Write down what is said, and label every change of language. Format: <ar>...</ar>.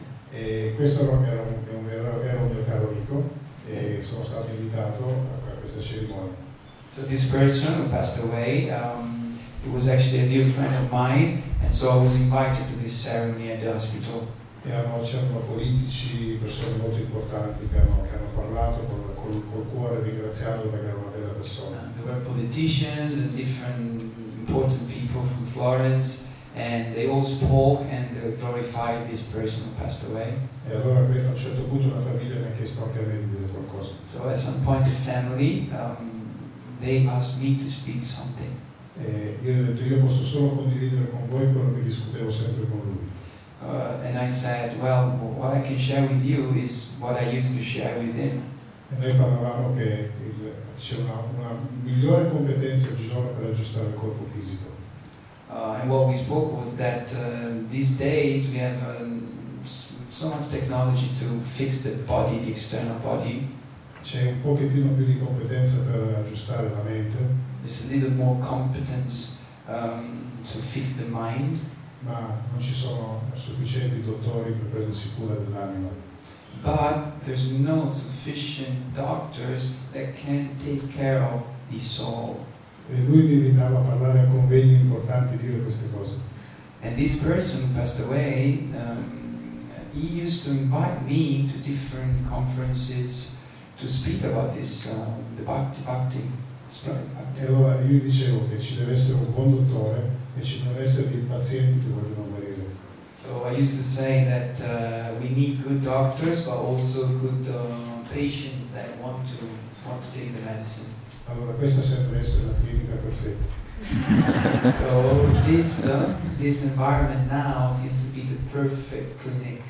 <it>E questo era un mio caro amico e sono stato invitato a questa cerimonia.</it> <en>So this person who passed away, he was actually a dear friend of mine, and so I was invited to this ceremony at the hospital.</en> <it>E c'erano politici, persone molto importanti che hanno parlato col cuore ringraziando perché era una bella persona.</it> <en>There were politicians and different important people from Florence. And they all spoke and glorified this person who passed away.</en> <it>E allora a un certo punto una famiglia mi ha chiesto anche a me di dire qualcosa.</it> <en>So at some point the family, they asked me to speak something.</en> <it>E io ho detto io posso solo condividere con voi quello che discutevo sempre con lui.</it> <en>And I said, well, what I can share with you is what I used to share with him.</en> <it>E noi parlavamo che c'è una migliore competenza oggigiorno per aggiustare il corpo fisico.</it> <en>And what we spoke was that these days we have so much technology to fix the body, the external body.</en> <it>C'è un pochettino più di competenza per aggiustare la mente.</it> <en>There's a little more competence to fix the mind.</en> <it>Ma non ci sono sufficienti dottori per prendersi cura dell'anima.</it> <en>But there's no sufficient doctors that can take care of the soul.</en> <it>E lui mi invitava a parlare a convegni importanti e dire queste cose.</it> <en>And this person passed away, he used to invite me to different conferences to speak about this, the Bhakti.</en> <it>E allora io dicevo che ci deve essere un buon dottore e ci devono essere dei pazienti che vogliono morire.</it> <en>So I used to say that we need good doctors but also good patients that want to take the medicine.</en> <it>Allora questa sembra essere la clinica perfetta.</it> <en>So this environment now seems to be the perfect clinic.</en>